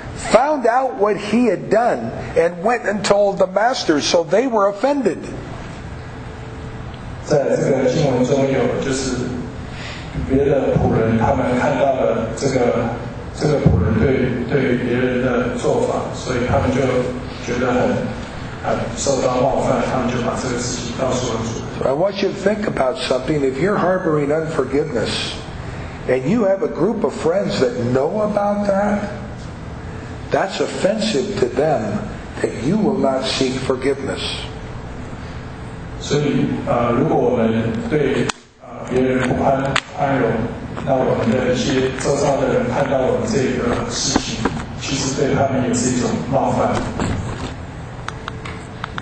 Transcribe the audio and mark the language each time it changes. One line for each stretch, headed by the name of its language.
English: Found out what he had done and went and told the master, so they were offended.
Chinese: 在这个经文中有，就是别的仆人他们看到了这个仆人对别人的做法，所以他们就觉得很受到冒犯，他们就把这个事情告诉了主人。
English: I want you to think about something. If you're harboring unforgiveness and you have a group of friends that know about that. That's offensive to them that you will not seek forgiveness. So, if we don't seek forgiveness, then our people who see this thing, actually, for them, it's an offense.